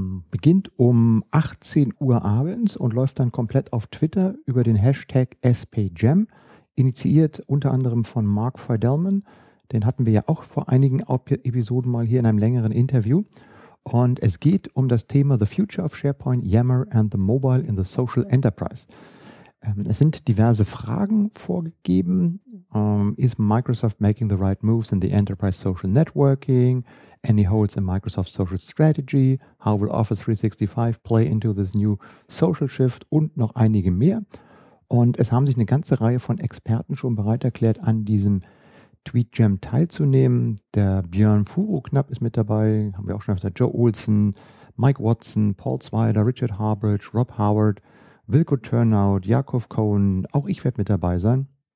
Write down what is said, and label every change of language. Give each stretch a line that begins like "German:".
German: Beginnt um 18 Uhr abends und läuft dann komplett auf Twitter über den Hashtag SPJam, initiiert unter anderem von Mark Fidelman, den hatten wir ja auch vor einigen Episoden mal hier in einem längeren Interview. Und es geht um das Thema The Future of SharePoint, Yammer and the Mobile in the Social Enterprise. Es sind diverse Fragen vorgegeben.
English: Is Microsoft making the right moves in the enterprise social networking? Any holes in Microsoft's social strategy? How will Office 365 play into this new social shift?
German: Und noch einige mehr. Und es haben sich eine ganze Reihe von Experten schon bereit erklärt, an diesem Tweet-Jam teilzunehmen. Der Björn Furuknapp ist mit dabei. Haben wir auch schon gesagt. Joe Olson, Mike Watson, Paul Zweider, Richard Harbridge, Rob Howard, Wilco Turnout, Jakob Cohen, auch ich werde mit dabei sein.